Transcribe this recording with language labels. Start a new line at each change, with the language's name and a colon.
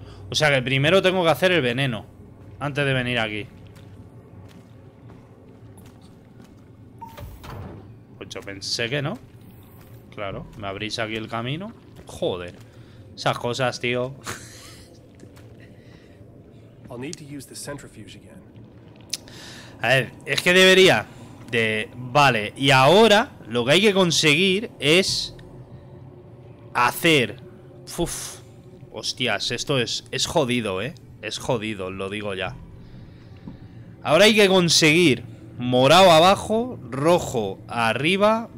Spanish: O sea que primero tengo que hacer el veneno. Antes de venir aquí. Pues yo pensé que no. Claro, me abrís aquí el camino. Joder. Esas cosas, tío.
English: I'll need to use the centrifuge again.
Spanish: A ver, es que debería de... Vale, y ahora lo que hay que conseguir es hacer... Uf. Hostias, esto es jodido, ¿eh? Es jodido, lo digo ya. Ahora hay que conseguir morado abajo, rojo arriba.